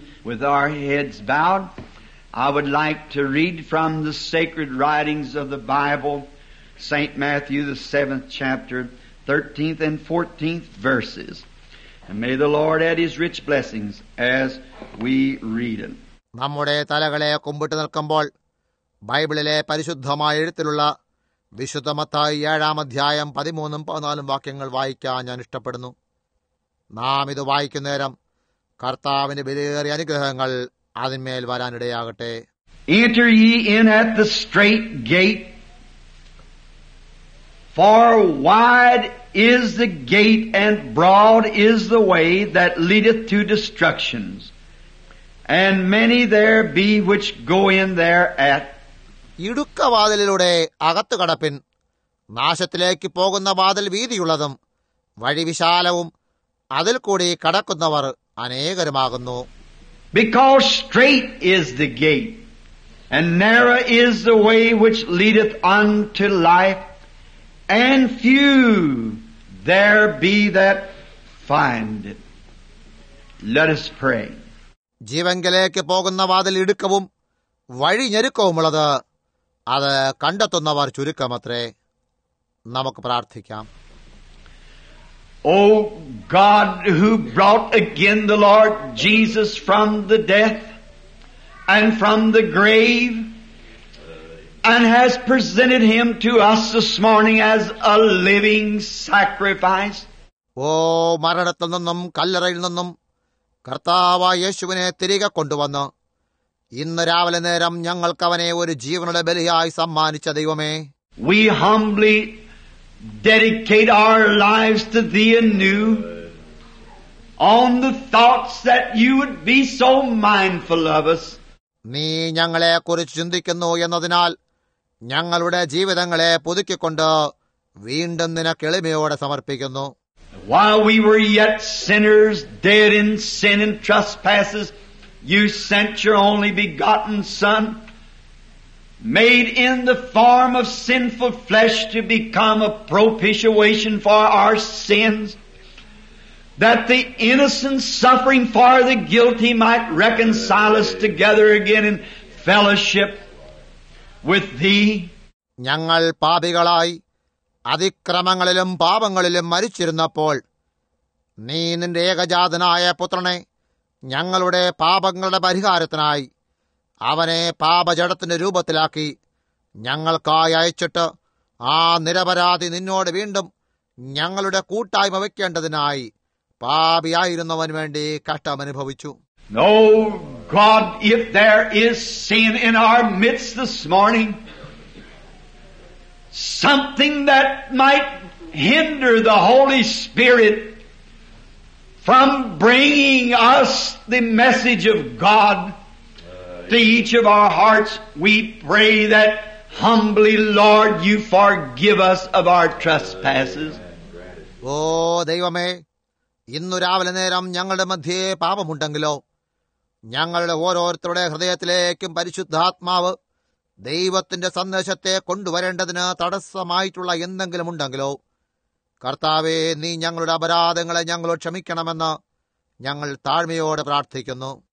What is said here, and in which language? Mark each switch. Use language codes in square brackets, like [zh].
[en] With our heads bowed, I would like to read from the sacred writings of the Bible, St. Matthew, the 7th chapter, 13th and 14th verses. And may the Lord add his rich blessings as we read them. [ml] നമ്മുടെ തലകളെ കുമ്പിട്ട് നിൽക്കുമ്പോൾ ബൈബിളിലെ പരിശുദ്ധമായ എഴുത്തിലുള്ള വിശുദ്ധ മത്തായി 7-ാം അധ്യായം 13-ും 14-ും വാക്യങ്ങൾ വായിക്കാൻ ഞാൻ ഇഷ്ടപ്പെടുന്നു. നാം ഇത് വായിക്കുന്ന നേരം കർത്താവിന് വിലയേറിയ അനുഗ്രഹങ്ങൾ അതിന്മേൽ വരാനിടയാകട്ടെ. [en] Enter ye in at the straight gate, for wide is the gate and broad is the way that leadeth to destruction, and many there be which go in thereat. [ml] ഇടുക്കവാതിലൂടെ അകത്തു കടപ്പിൻ, നാശത്തിലേക്ക് പോകുന്ന വാതിൽ വീതിയുള്ളതും വഴി വിശാലവും, അതിൽ കൂടി കടക്കുന്നവർ അനേകരമാകുന്നു. [en] Because straight is the gate, and narrow is the way which leadeth unto life, and few there be that find it. Let us pray. [ml] ജീവങ്കലേക്ക് പോകുന്ന വാതിൽ ഇടുക്കവും വഴി ഞെരുക്കവുമുള്ളത്, അത് കണ്ടെത്തുന്നവർ ചുരുക്കമത്രേ. നമുക്ക് പ്രാർത്ഥിക്കാം. [en] Oh God, who brought again the Lord Jesus from the death and from the grave, and has presented him to us this morning as a living sacrifice. [ml] ഓ മരണത്തിൽ നിന്നും കല്ലറയിൽ നിന്നും കർത്താവായ യേശുവിനെ തിരികെ കൊണ്ടുവന്ന് ഇന്ന് രാവിലെ നേരം ഞങ്ങൾക്കവനെ ഒരു ജീവനുടെ ബലിയായി സമ്മാനിച്ച ദൈവമേ, [en] We humbly dedicate our lives to thee anew on the thoughts that you would be so mindful of us. [ml] നീ ഞങ്ങളെ കുറിച്ച് ചിന്തിക്കുന്നു എന്നതിനാൽ ഞങ്ങളുടെ ജീവിതങ്ങളെ പുതുക്കിക്കൊണ്ട് വീണ്ടും നിനക്ക് എളിമയോടെ സമർപ്പിക്കുന്നു. [en] While we were yet sinners, dead in sin and trespasses, you sent your only begotten Son, made in the form of sinful flesh, to become a propitiation for our sins, that the innocent suffering for the guilty might reconcile us together again in fellowship with thee. [ml] ഞങ്ങൾ പാപികളായി അതിക്രമങ്ങളിലും പാപങ്ങളിലും മരിച്ചിരുന്നപ്പോൾ നീ നിന്റെ ഏകജാതനായ പുത്രനെ ഞങ്ങളുടെ പാപങ്ങളുടെ പരിഹാരത്തിനായി അവനെ പാപജടത്തിന്റെ രൂപത്തിലാക്കി ഞങ്ങൾക്കായി അയച്ചിട്ട് ആ നിരപരാധി നിന്നോട് വീണ്ടും ഞങ്ങളുടെ കൂട്ടായ്മ വയ്ക്കേണ്ടതിനായി പാപിയായിരുന്നവന് വേണ്ടി കഷ്ടമനുഭവിച്ചു. [en] Oh God, if there is sin in our midst this morning, something that might hinder the Holy Spirit from bringing us the message of God to each of our hearts, we pray that humbly, Lord, you forgive us of our trespasses. [ml] Oh, ദൈവമേ, ഇന്നു രാവിലെ നേരം ഞങ്ങളുടെ മധ്യേ പാപമുണ്ടെങ്കിലോ ഞങ്ങളുടെ ഓരോരുത്തരുടെ ഹൃദയത്തിലേക്കും പരിശുദ്ധാത്മാവ് ദൈവത്തിന്റെ സന്ദേശത്തെ കൊണ്ടുവരേണ്ടതിന് തടസ്സമായിട്ടുള്ള എന്തെങ്കിലും ഉണ്ടെങ്കിലോ കർത്താവേ, നീ ഞങ്ങളുടെ അപരാധങ്ങളെ ഞങ്ങളോട് ക്ഷമിക്കണമെന്ന് ഞങ്ങൾ താഴ്മയോടെ പ്രാർത്ഥിക്കുന്നു.